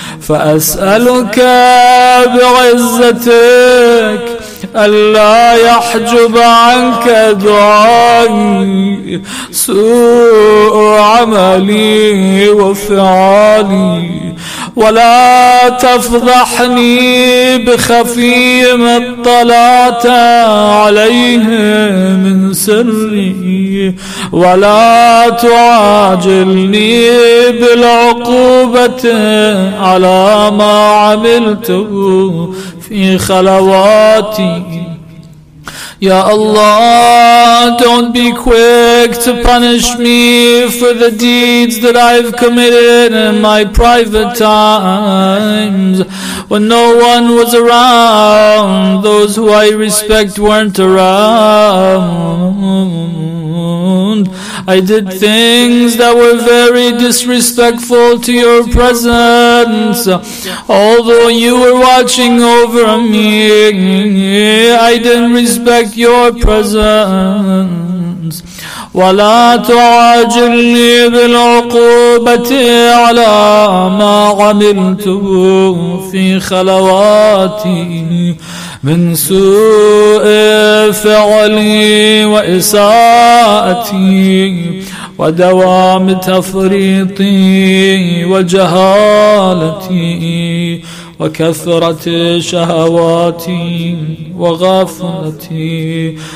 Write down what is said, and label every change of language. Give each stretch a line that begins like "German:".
Arabic: فأسألك بعزتك ألا يحجب عنك دعائي سوء عملي وفعالي ولا تفضحني بخفي ما اطلعت عليه من سري ولا تعاجلني بالعقوبة على ما عملته في خلواتي.
English: Ya Allah, don't be quick to punish me for the deeds that I've committed in my private times. When no one was around, those who I respect weren't around. I did things that were very disrespectful to your presence. Although you were watching over me, I didn't respect your presence.
Arabic: ولا تعاجلني بالعقوبة على ما عملت في خلواتي من سوء فعلي وإساءتي ودوام تفريطي وجهالتي وكثرة شهواتي وغفلتي.